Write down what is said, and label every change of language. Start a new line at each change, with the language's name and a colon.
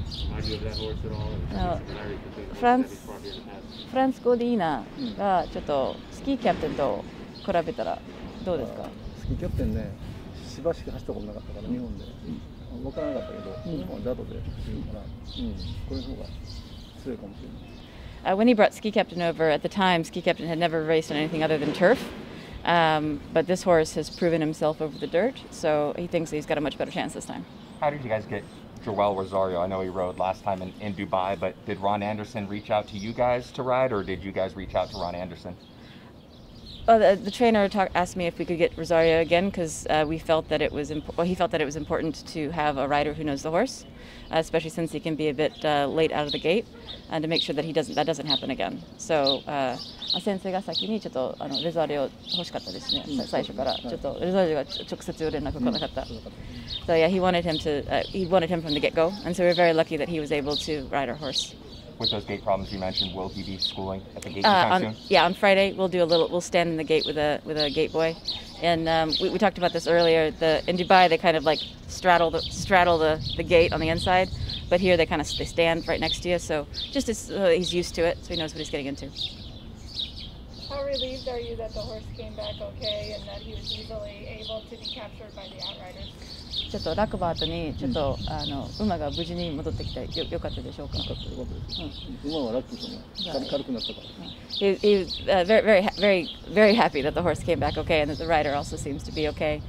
Japanese: フランスゴディーナがちょっとスキーキャプテンと比べたらどうですか？スキーキャプテンね、芝しか走ったことなかったから日本で、分からなかったけど、うん、日本はダートで走るから、うん、これの方が強いかもしれない。
English: When he brought Ski Captain over, at the time, Ski Captain had never raced on anything other than turf. But this horse has proven himself over the dirt, so he thinks he's got a much better chance this time. How did you guys get Joel Rosario? I know he rode last time in Dubai, but did Ron Anderson reach out to you guys to ride, or did you guys reach out to Ron Anderson? Well, the trainer asked me if we could get Rosario again, because he felt that it was important to have a rider who knows the horse, especially since he can be a bit late out of the gate, and to make sure that that doesn't happen again. So,
Japanese: 先生が先にちょっとあのレザーリオ欲しかったですね。最初からちょっとレザーリオが直接連絡来なかった。
English: So yeah, he wanted him from the get-go, and so we're very lucky that he was able to ride our horse. With those gate problems you mentioned, will he be schooling at the gate anytime soon? Yeah, on Friday we'll stand in the gate with a gate boy, and we talked about this earlier. In Dubai they kind of like straddle the gate on the inside, but here they stand right next to you. So just as he's used to it, so he knows what he's getting into. How relieved are you that the horse came back okay and that he was easily able to be captured by the outrider?
Japanese: ちょっとラクバートにちょっと、うん、あの馬が無事に戻ってきて よかったでしょうか。よかったよかったです。うん、馬はラッキーですね。軽くなったから。
English: He is very, very, very, very happy that the horse came back okay and that the rider also seems to be okay.